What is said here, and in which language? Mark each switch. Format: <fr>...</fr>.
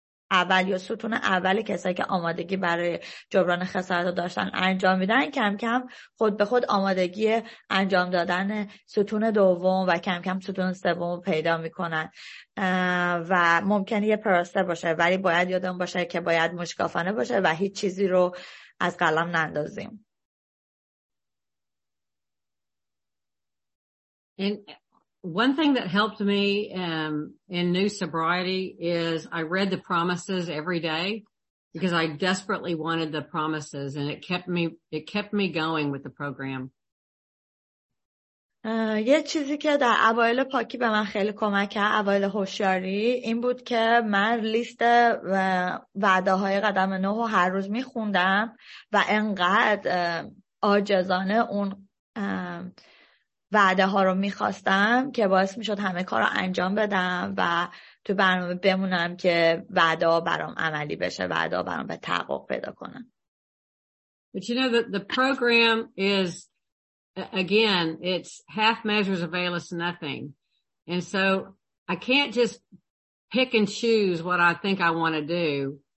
<fa>اول یا ستون اول کسایی که آمادگی برای جبران خسارت رو داشتن انجام میدن کم کم خود به خود آمادگی انجام دادن ستون دوم و کم کم ستون سوم پیدا میکنن و ممکنه یه پروسه باشه، ولی باید یادم باشه که باید مشکافانه باشه و هیچ چیزی رو از قلم نندازیم.</fa> <en>One thing that helped me in new sobriety is I read the promises every day because I desperately wanted the promises and it kept me going with the program.</en> <fa>یه چیزی که در اوایل پاکی به من خیلی کمک کرد، اوایل هوشیاری، این بود که من لیست وعده‌های قدم 9 رو هر روز می‌خوندم و انقدر عاجزانه اون وعده ها رو میخواستم که باعث میشد همه کار رو انجام بدم و تو برنامه بمونم که وعده ها برام عملی بشه، وعده ها برام به تحقق پیدا کنن.</fa> <en>But you know the program is again it's half measures avail us nothing. And so I can't just pick and choose what I think I want to do.</en>